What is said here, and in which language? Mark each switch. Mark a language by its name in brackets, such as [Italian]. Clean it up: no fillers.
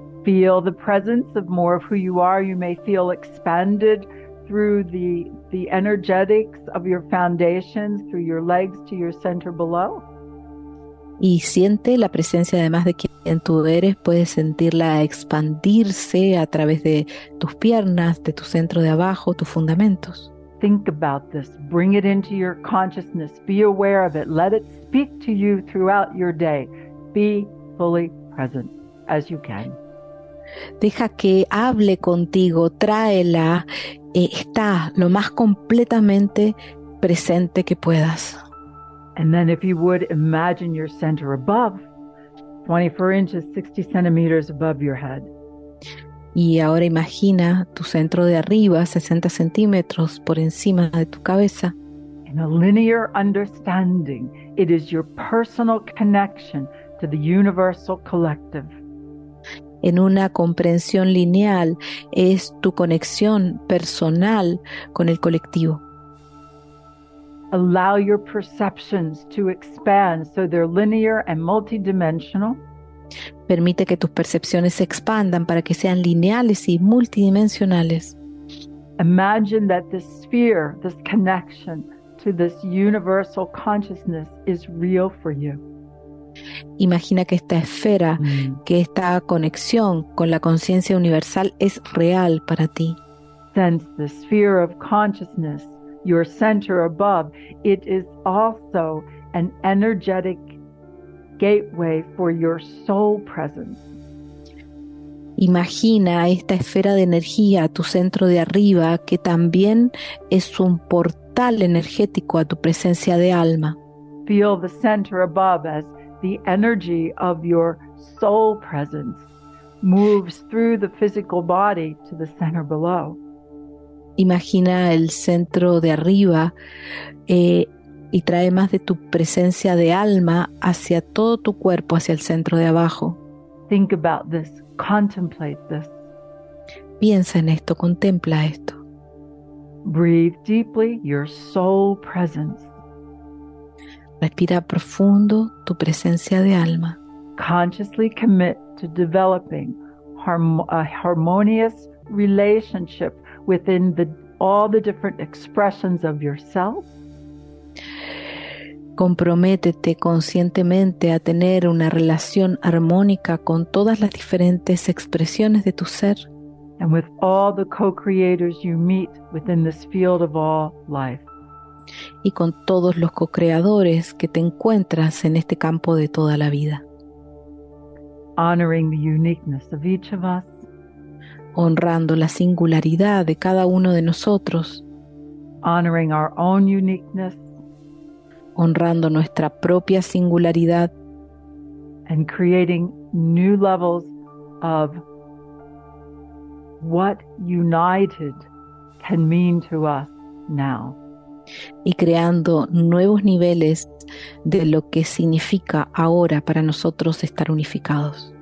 [English] Feel the presence of more of who you are. You may feel expanded through the energetics of your foundations, through your legs to your center below. [Spanish] Y siente la presencia además de quien tú eres, puedes sentirla expandirse a través de tus piernas, de tu centro de abajo, tus fundamentos. [English] Think about this, bring it into your consciousness, be aware of it, let it speak to you throughout your day. Be fully present as you can. [Spanish] Deja que hable contigo, tráela, está lo más completamente presente que puedas. [English] And then if you would imagine your center above, 24 inches, 60 centimeters above your head. [Spanish] Y ahora imagina tu centro de arriba, 60 centímetros por encima de tu cabeza. [English] In a linear understanding, it is your personal connection to the universal collective. [Spanish] En una comprensión lineal, es tu conexión personal con el colectivo. [English] Allow your perceptions to expand so they're linear and multidimensional. [Spanish] Permite que tus percepciones se expandan para que sean lineales y multidimensionales. [English] Imagine that this sphere, this connection to this universal consciousness is real for you. [Spanish] Imagina que esta esfera, que esta conexión con la conciencia universal es real para ti. [English] Sense the sphere of consciousness, your center above, it is also an energetic gateway for your soul presence. [Spanish] Imagina esta esfera de energía, tu centro de arriba, que también es un portal energético a tu presencia de alma. [English] Feel the center above as the energy of your soul presence moves through the physical body to the center below. [Spanish] Imagina el centro de arriba, y trae más de tu presencia de alma hacia todo tu cuerpo, hacia el centro de abajo. [English] Think about this, contemplate this. [Spanish] Piensa en esto, contempla esto. [English] Breathe deeply, your soul presence. [Spanish] Respira profundo tu presencia de alma. [English] Consciously commit to developing a harmonious relationship within all the different expressions of yourself. [Spanish] Comprométete conscientemente a tener una relación armónica con todas las diferentes expresiones de tu ser. [English] And with all the co-creators you meet within this field of all life. [Spanish] Y con todos los co-creadores que te encuentras en este campo de toda la vida. [English] Honoring the uniqueness of each of us. [Spanish] Honrando la singularidad de cada uno de nosotros. [English] Honoring our own uniqueness. [Spanish] Honrando nuestra propia singularidad. [English] And creating new levels of what united can mean to us now. [Spanish] Y creando nuevos niveles de lo que significa ahora para nosotros estar unificados.